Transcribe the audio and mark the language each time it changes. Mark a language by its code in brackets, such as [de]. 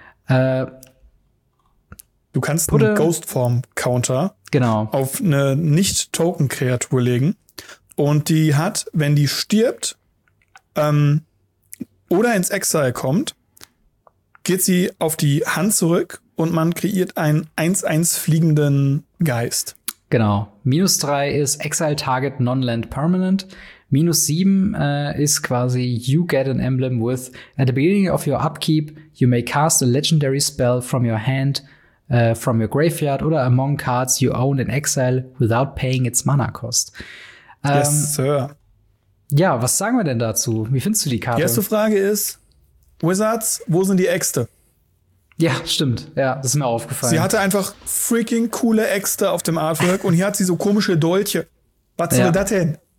[de] Du kannst einen Ghostform-Counter auf eine Nicht-Token-Kreatur legen. Und die hat, wenn die stirbt, oder ins Exile kommt, geht sie auf die Hand zurück und man kreiert einen 1-1 fliegenden Geist. Genau. Minus 3 ist Exile Target Non-Land Permanent. Minus 7 ist quasi [en] you get an emblem with at the beginning of your upkeep, you may cast a legendary spell from your hand, from your graveyard [de] oder [en] among cards you own in exile without paying its mana cost. Yes, sir. [de] Ja, was sagen wir denn dazu? Wie findest du die Karte? Die erste Frage ist, Wizards, wo sind die Äxte? Ja, stimmt. Ja, das ist mir aufgefallen. Sie hatte einfach freaking coole Äxte auf dem Artwork und hier hat sie so komische Dolche. Was soll das denn?